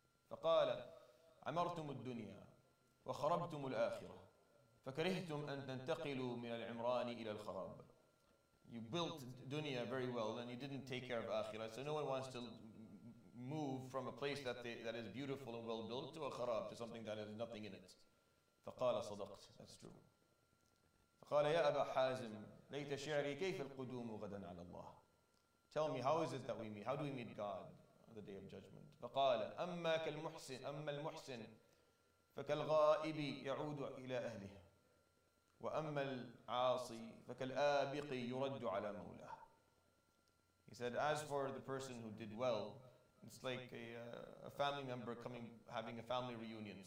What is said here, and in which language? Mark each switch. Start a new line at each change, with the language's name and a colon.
Arabic: فَقَالَ عَمَرْتُمُ الدُّنْيَا وَخَرَبْتُمُ الْآخِرَةِ فَكَرِهْتُمْ أَن تَنْتَقِلُوا مِنَ الْعِمْرَانِ إِلَى الْخَرَابِ.
English: You built dunya very well and you didn't take care of akhirah, so no one wants to move from a place that is beautiful and well built to a kharab, to something that has nothing in it.
Arabic: فقال صدقت.
English: That's true.
Arabic: فقال يا أبا حازم ليت شعري كيف القدوم غدا على الله.
English: Tell me, how is it that we meet? How do we meet God on the Day of Judgment?
Arabic: فقال أما كالمحسن أما المحسن فكالغائب يعود إلى أهله وأما العاصي فكالآبق يرد على مولاه.
English: He said, as for the person who did well, it's like a family member coming, having a family reunion.